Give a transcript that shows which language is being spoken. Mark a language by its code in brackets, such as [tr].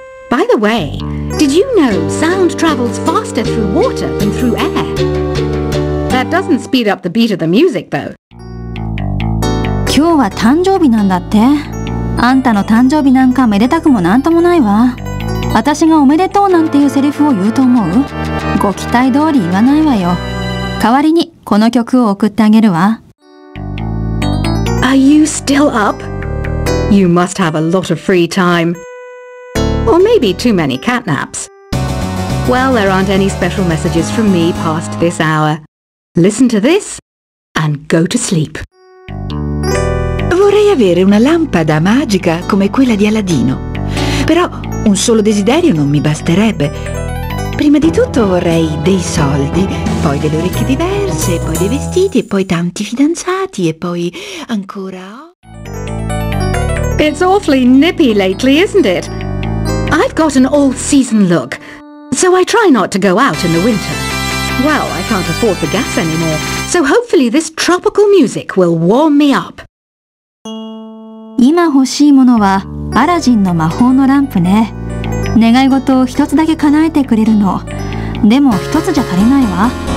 [en] By the way, did you know sound travels faster through water than through air? That doesn't speed up the beat of the music, though. [ja] 今日は誕生日なんだって。あんたの誕生日なんかめでたくもなんともないわ。私がおめでとうなんていうセリフを言うと思う？ご期待通り言わないわよ。代わりにこの曲を送ってあげるわ。 [en] Are you still up? You must have a lot of free time. Or maybe too many catnaps. Well, there aren't any special messages from me past this hour. Listen to this and go to sleep. [it] Vorrei avere una lampada magica come quella di Aladino. Però un solo desiderio non mi basterebbe. Prima di tutto vorrei dei soldi, poi delle orecchie diverse, poi dei vestiti e poi tanti fidanzati e poi ancora... [en] It's awfully nippy lately, isn't it? I've got an all-season look, so I try not to go out in the winter. Well, I can't afford the gas anymore, so hopefully this tropical music will warm me up. [ja] 今欲しいものはアラジンの魔法のランプね。願い事を一つだけ叶えてくれるの。でも一つじゃ足りないわ。